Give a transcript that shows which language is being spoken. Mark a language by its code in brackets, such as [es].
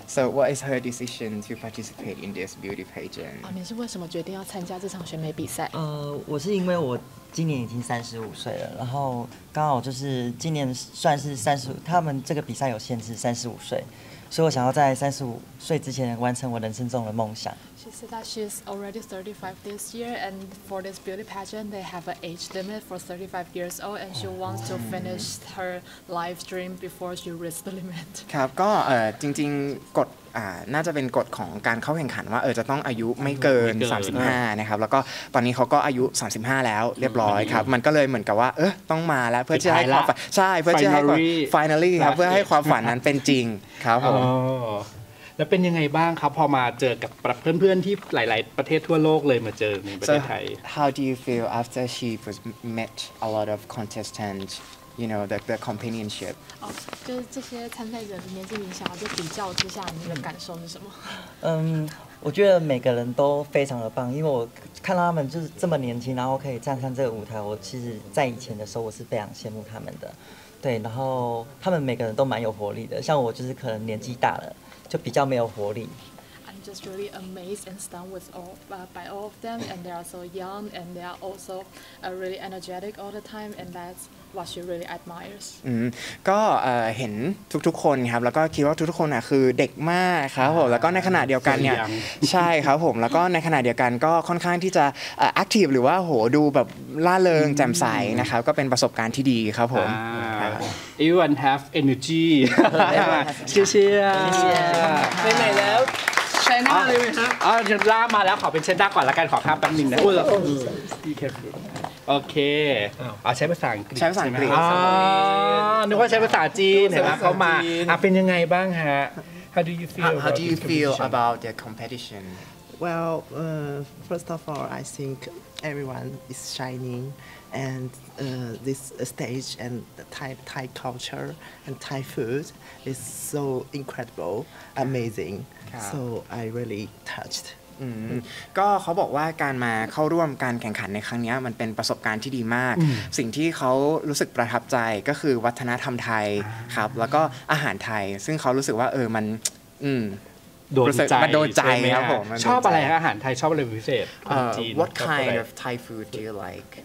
[en] So what is her decision to participate in this beauty pageant? [zh] 你是为什么决定要参加这场选美比赛？我是因为我今年已经35岁了，然后刚好就是今年算是35，他们这个比赛有限制35岁，所以我想要在35岁之前完成我人生中的梦想。 [en] She said that she's already 35 this year, and for this beauty pageant, they have an age limit for 35 years old, and she wants to finish her life dream before she reaches the limit. [th] ครับก็จริงๆกฎน่าจะเป็นกฎของการเข้าแข่งขันว่าจะต้องอายุไม่เกิน35นะครับแล้วก็ตอนนี้เขาก็อายุ35แล้วเรียบร้อยครับมันก็เลยเหมือนกับว่าต้องมาแล้วเพื่อที่ให้ความฝันใช่เพื่อที่ให้ความ finally ครับเพื่อให้ความฝันนั้นเป็นจริงครับผม แล้วเป็นยังไงบ้างครับพอมาเจอกับเพื่อนๆที่หลายๆประเทศทั่วโลกเลยมาเจอในประเทศไทย [en] How do you feel after she was met a lot of contestants you know the companionship [zh] อ๋อคือ这些参赛者年纪很小就比较之下你的感受是什么我觉得每个人都非常的棒因为我看到他们就是这么年轻然后可以站上这个舞台我其实在以前的时候我是非常羡慕他们的对然后他们每个人都蛮有活力的像我就是可能年纪大了就比较没有活力。 [en] I'm just really amazed and stunned with all by all of them, and they are so young, and they are also really energetic all the time, and that's what she really admires. [th] ก็เห็นทุกๆคนครับแล้วก็คิดว่าทุกๆคนอ่ะคือเด็กมากครับผมแล้วก็ในขณะเดียวกันเนี่ยใช่ครับผมแล้วก็ในขณะเดียวกันก็ค่อนข้างที่จะแอคทีฟหรือว่าโหดูแบบล่าเริงแจ่มใสนะครับก็เป็นประสบการณ์ที่ดีครับผม [en] Everyone have energy [th] เชียร์เชียร์ไ ปไหนแล้ว เชนด้าเลยไหมครับอ๋อเชนด้ามาแล้วขอเป็นเชนด้าก่อนละกันขอข้ามแป๊บนึงนะอุ้ยโอเคอ๋อใช้ภาษาอังกฤษ ใช้ภาษาอังกฤษ อ๋อนึกว่าใช้ภาษาจีนเห็นไหมเขามาอ่ะเป็นยังไงบ้างฮะ [en] How do you feel about the competition? Well, first of all, I think everyone is shining and this stage and Thai culture and Thai food is so incredible, amazing. So I really touched. [th] ก็เขาบอกว่าการมาเข้าร่วมการแข่งขันในครั้งนี้มันเป็นประสบการณ์ที่ดีมากสิ่งที่เขารู้สึกประทับใจก็คือวัฒนธรรมไทยครับแล้วก็อาหารไทยซึ่งเขารู้สึกว่ามันโดนใจครับผม ชอบอะไรอาหารไทยชอบอะไรพิเศษ [en] What kind of Thai food do you like?